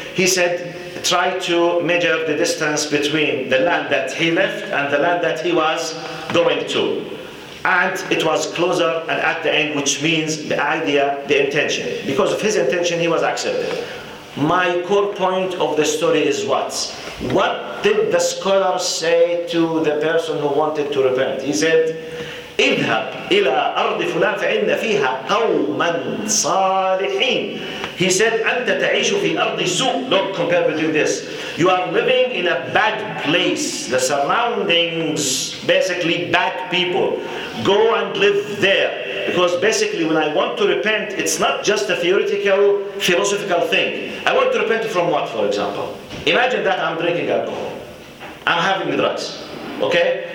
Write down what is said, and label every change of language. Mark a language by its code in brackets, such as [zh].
[en] He said, try to measure the distance between the land that he left and the land that he was going to. And it was closer and at the end, which means the idea, the intention. Because of his intention, he was accepted. My core point of the story is what? What did the scholar say to the person who wanted to repent? He said, [ar] اذهب إلى أرض فلان فإن فيها قوما صالحين. [en] He said, [ar] أنت تعيش في أرض سوء. [en] Look, compare between this. You are living in a bad place. The surroundings, basically bad people. Go and live there. Because basically when I want to repent, it's not just a theoretical, philosophical thing. I want to repent from what, for example? Imagine that I'm drinking alcohol. I'm having drugs. Okay?